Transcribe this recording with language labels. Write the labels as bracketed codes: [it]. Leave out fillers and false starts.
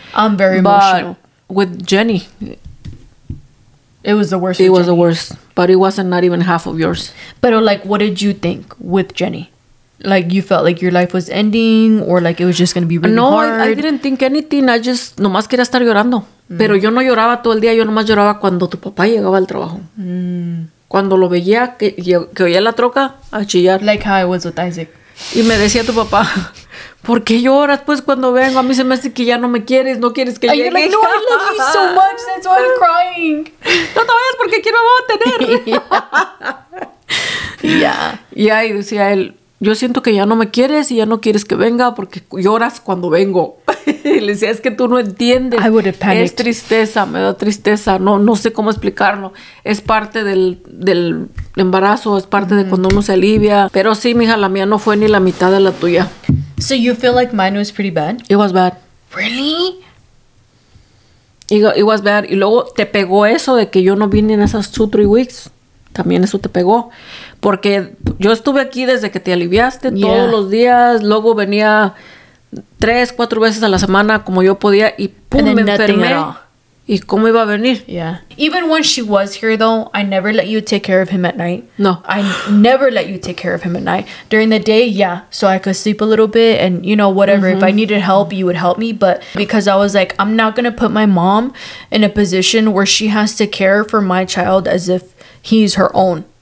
[en] I'm very emotional. But with Jenny, it was the worst. It was the worst. But it wasn't not even half of yours. But, like, what did you think with Jenny? Like, you felt like your life was ending or, like, it was just going to be really hard? No, I didn't think anything. I just, [es] nomás quería estar llorando. [en] Mm. [es] Pero yo no lloraba todo el día. Yo nomás lloraba cuando tu papá llegaba al trabajo. Mm. Cuando lo veía, que oía la troca, a chillar. [en] Like how I was with Isaac. [es] Y me decía tu papá, ¿por qué lloras, pues, cuando vengo? A mí se me hace que ya no me quieres, no quieres que llegue. [en] Like, no, I love you so much, that's why I'm crying. [es] No te vayas porque quiero a tener. [en] Yeah. [es] Y ahí decía él, yo siento que ya no me quieres y ya no quieres que venga porque lloras cuando vengo. Y le decía, es que tú no entiendes. [en] I would have panicked. [es] Es tristeza, me da tristeza. No sé cómo explicarlo. Es parte del embarazo, es parte de cuando uno se alivia. Pero sí, mija, la mía no fue ni la mitad de la tuya. [en] So you feel like mine was pretty bad? It was bad. Really? It was bad. [es] Y luego te pegó eso de que yo no vine en esas 2-3 weeks. También eso te pegó. Porque yo estuve aquí desde que te aliviaste todos los días. Luego venía 3-4 veces a la semana como yo podía. Y pum, me enfermé. ¿Y cómo iba a venir? [en] Yeah. Even when she was here, though, I never let you take care of him at night. No. I never let you take care of him at night. During the day, yeah. So I could sleep a little bit and, you know, whatever. Mm-hmm. If I needed help, you would help me. But because I was like, I'm not going to put my mom in a position where she has to care for my child as if he's her own.